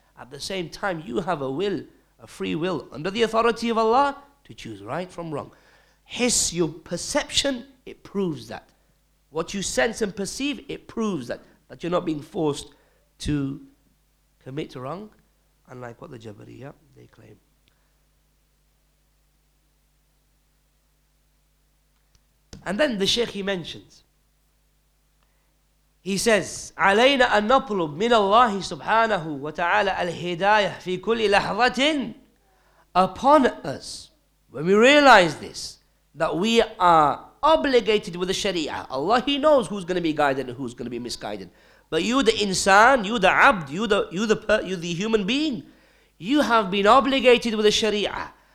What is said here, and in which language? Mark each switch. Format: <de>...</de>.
<en>At the same time, you have a will, a free will under the authority of Allah to choose right from wrong. His, your perception, it proves that. What you sense and perceive, it proves that you're not being forced to commit wrong, unlike what the Jabariya, they claim. And then the Shaykh, he mentions, he says,</en> <ar>عَلَيْنَا أَن نَطْلُبْ مِنَ اللَّهِ سُبْحَانَهُ وَتَعَالَى الْهِدَايَةِ فِي كُلِّ لَحْظَةٍ.</ar> <en>Upon us, when we realize this, that we are obligated with the Sharia. Allah, He knows who's going to be guided and who's going to be misguided. But you, the insan, you, the abd, you, the human being, you have been obligated with the Sharia.</en>